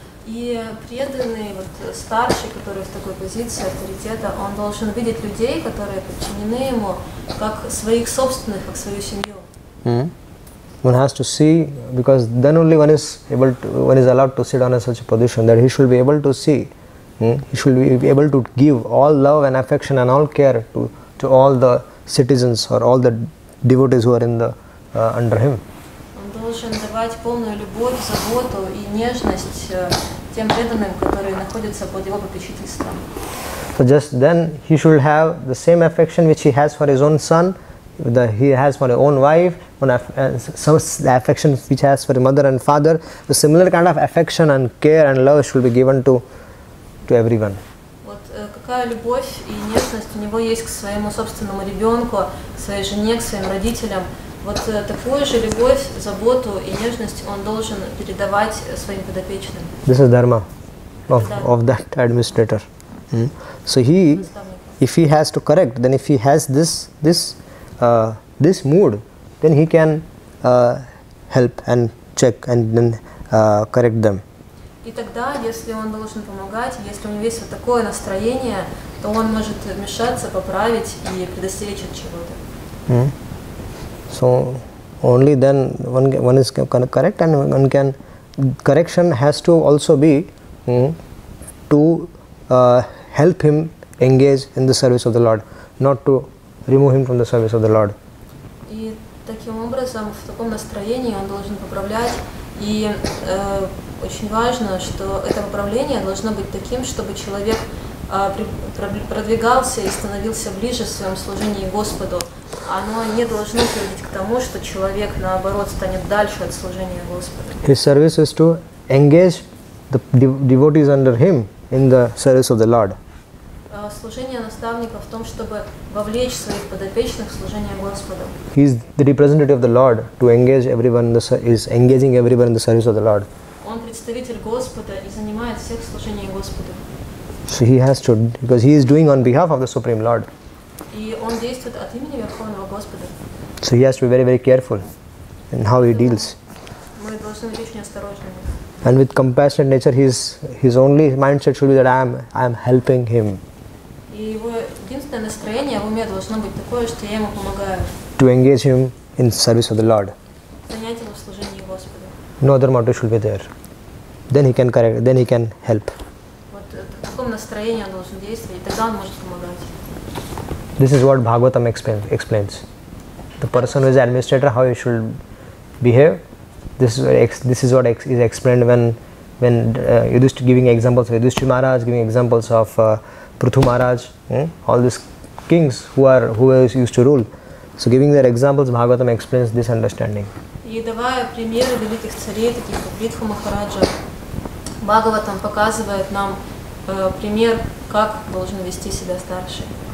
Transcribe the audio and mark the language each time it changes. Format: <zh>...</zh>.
<ru>И преданный вот старший, который в такой позиции авторитета, он должен видеть людей, которые подчинены ему, как своих собственных, как свою семью.</ru> <en>One has to see, because then only one is allowed to sit on a such a position that he should be able to see. He should be able to give all love and affection and all care to all the citizens or all the devotees who are in the under him.</en> <ru>Он должен давать полную любовь, заботу и нежность тем преданным, которые находятся под его попечительством.</ru> <en>So just then he should have the same affection which he has for his own son, that he has for his own wife, the affection which he has for the mother and father. The similar kind of affection and care and love should be given to everyone.</en> <ru>Вот какая любовь и нежность у него есть к своему собственному ребенку, к своей жене, к своим родителям. Вот такую же любовь, заботу и нежность он должен передавать своим подопечным.</ru> <en>This is dharma of that administrator. So he, if he has to correct, then if he has this mood, then he can help and check and then correct them.</en> <ru>И тогда, если он должен помогать, если у него есть вот такое настроение, то он может вмешаться, поправить и предостеречь от чего-то.</ru> <en>So only then one is correct, and one can correction has to also be help him engage in the service of the Lord, not to remove him from the service of the Lord.</en> <ru>И таким образом, в таком настроении он должен поправлять и очень важно, что это управление должно быть таким, чтобы человек продвигался и становился ближе в своем служении Господу, оно не должно приводить к тому, что человек, наоборот, станет дальше от служения Господу.</ru> <en>His service is to engage the devotees under him in the service of the Lord.</en> <ru>Служение наставника в том, чтобы вовлечь своих подопечных в служение Господу.</ru> <en>He is the representative of the Lord to engage everyone in the is engaging everyone in the service of the Lord.</en> <ru>Он представитель Господа и занимает всех в служении Господу.</ru> <en>So he has to, because he is doing on behalf of the Supreme Lord.</en> <ru>И он действует от имени Верховного Господа.</ru> <en>So he has to be very, very careful in how he deals.</en> <ru>Мы должны быть очень осторожными.</ru> <en>And with compassionate nature, his only mindset should be that I am helping him.</en> <ru>И его единственное настроение в уме должно быть такое, что я ему помогаю.</ru> <en>To engage him in service of the Lord.</en> <ru>Занять его в служении Господа.</ru> <en>No other motive should be there. Then he can correct. Then he can help.</en> <ru>Вот в таком настроении он должен действовать, и тогда он может помогать.</ru> <en>This is what Bhagavatam explains. The person who is administrator, how he should behave. This is what is explained when Yudhishthira Maharaj giving examples of Prithu Maharaj, all these kings who used to rule. So giving their examples, Bhagavatam explains this understanding.</en> <ru>И давая примеры великих царей, таких как Притху Махараджа, Бхагаватам показывает нам пример, как должен вести себя старший.</ru>